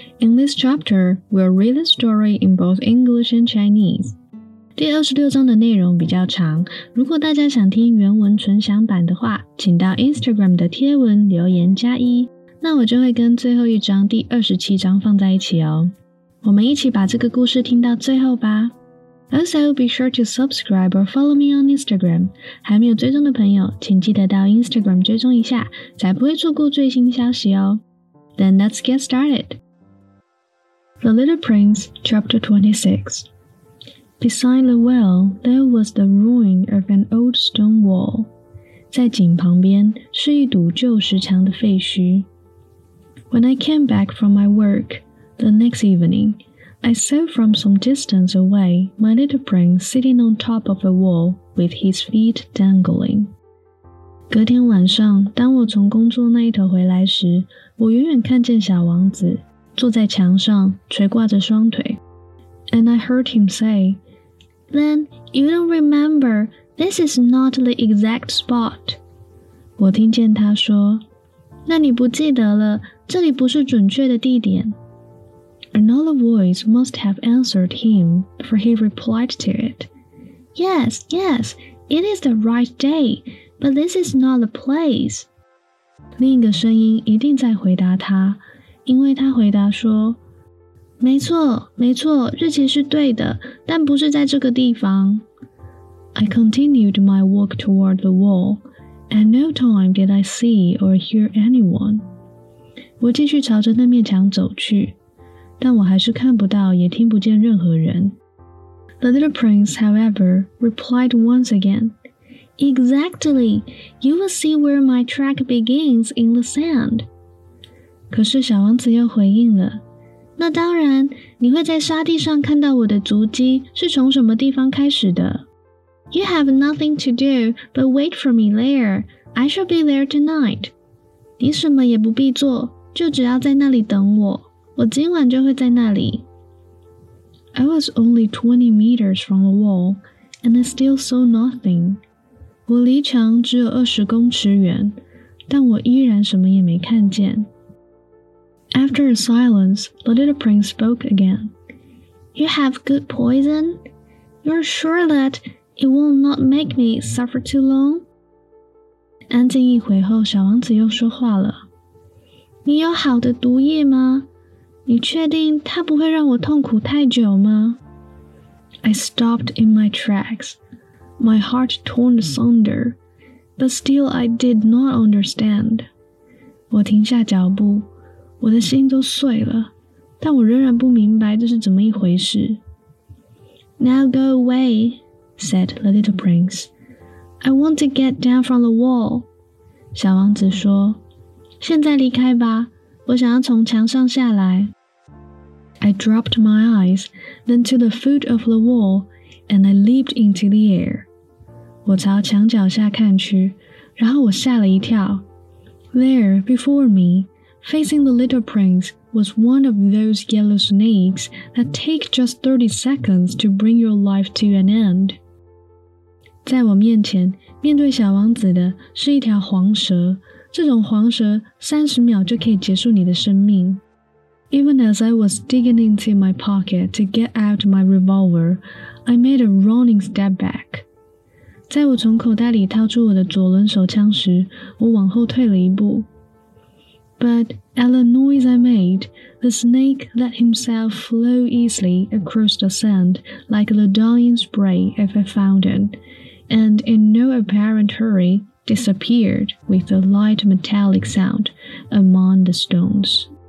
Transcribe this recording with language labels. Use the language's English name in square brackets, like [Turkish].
[English] In this chapter, we'll read the story in both English and Chinese. [Chinese] 第26章的内容比较长，如果大家想听原文纯享版的话，请到 Instagram 的贴文留言加一，那我就会跟最后一章第27章放在一起哦。我们一起把这个故事听到最后吧。 [English] Also, be sure to subscribe or follow me on Instagram. [Chinese] 还没有追踪的朋友，请记得到 Instagram 追踪一下，才不会错过最新消息哦。 [English] Then let's get started. The Little Prince, Chapter 26. Beside the well, there was the ruin of an old stone wall. [Chinese] 在井旁边是一堵旧石墙的废墟。 [English] When I came back from my work the next evening,I saw from some distance away my little prince sitting on top of a wall with his feet dangling. [Chinese] 隔天晚上，当我从工作那一头回来时，我远远看见小王子坐在墙上，垂挂着双腿。 [English] And I heard him say, Then, you don't remember, this is not the exact spot. [Chinese] 我听见他说，那你不记得了，这里不是准确的地点。 [English] Another voice must have answered him, for he replied to it. Yes, yes, it is the right day, but this is not the place. [Chinese] 另一个声音一定在回答他，因为他回答说，没错，没错，日期是对的，但不是在这个地方。 [English] I continued my walk toward the wall, and no time did I see or hear anyone. [Chinese] 我继续朝着那面墙走去。但我还是看不到也听不见任何人。 [English] The little prince, however, replied once again, Exactly, you will see where my track begins in the sand. [Chinese] 可是小王子又回应了，那当然，你会在沙地上看到我的足迹是从什么地方开始的。 [English] You have nothing to do but wait for me there. I shall be there tonight. [Chinese] 你什么也不必做，就只要在那里等我。我今晚就会在那里。 [English] I was only 20 meters from the wall, and I still saw nothing. [Chinese] 我离墙只有20公尺远，但我依然什么也没看见。 [English] After a silence, the little prince spoke again. You have good poison? You're sure that it will not make me suffer too long? [Chinese] 安静一会后，小王子又说话了。你有好的毒液吗？你确定它不会让我痛苦太久吗？ [English] I stopped in my tracks, my heart torn asunder, but still I did not understand. [Chinese] 我停下脚步，我的心都碎了，但我仍然不明白这是怎么一回事。 [English] Now go away, said the little prince. I want to get down from the wall. [Chinese] 小王子说，现在离开吧，我想要从墙上下来。 [English] I dropped my eyes, then to the foot of the wall, and I leaped into the air. [Chinese] 我朝墙脚下看去，然后我吓了一跳。 [English] There, before me, facing the little prince, was one of those yellow snakes that take just 30 seconds to bring your life to an end. [Chinese] 在我面前，面对小王子的是一条黄蛇，这种黄蛇30秒就可以结束你的生命。 [English] Even as I was digging into my pocket to get out my revolver, I made a running step back. [Chinese] 在我从口袋里掏出我的左轮手枪时，我往后退了一步。 [English] But at the noise I made, the snake let himself flow easily across the sand like the dying spray of a fountain, and in no apparent hurry, disappeared with a light metallic sound among the stones.